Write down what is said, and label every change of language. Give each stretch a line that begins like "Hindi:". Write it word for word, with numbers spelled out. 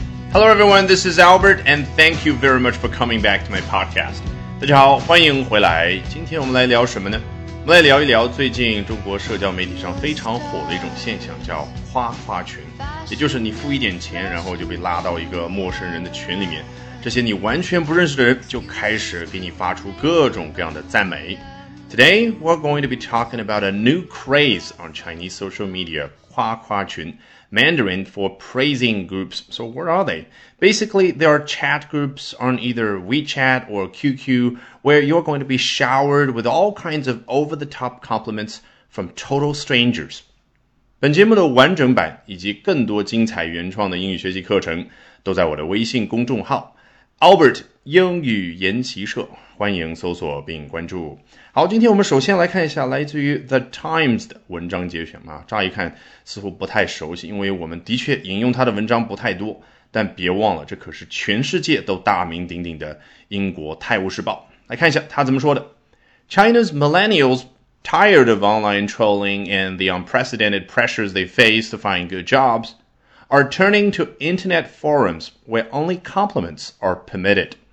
English: Hello everyone, this is Albert, and thank you very much for coming back to my podcast.
Chinese: 大家好，欢迎回来。今天我们来聊什么呢？我们来聊一聊最近中国社交媒体上非常火的一种现象，叫夸夸群，也就是你付一点钱，然后就被拉到一个陌生人的群里面，这些你完全不认识的人就开始给你发出各种各样的赞美。
English: Today, we're going to be talking about a new craze on Chinese social media, 夸夸群, Mandarin for praising groups. So what are they? Basically, there are chat groups on either WeChat or Q Q where you're going to be showered with all kinds of over-the-top compliments from total strangers.
Chinese: 本节目的完整版以及更多精彩原创的英语学习课程都在我的微信公众号 Albert 英语研习社。欢迎搜索并关注。好，今天我们首先来看一下来自于 The Times 的文章节选啊，乍一看似乎不太熟悉，因为我们的确引用它的文章不太多，但别忘了这可是全世界都大名鼎鼎的英国泰晤士报。来看一下它怎么说的。
English: China's millennials tired of online trolling and the unprecedented pressures they face to find good jobs are turning to internet forums where only compliments are permitted.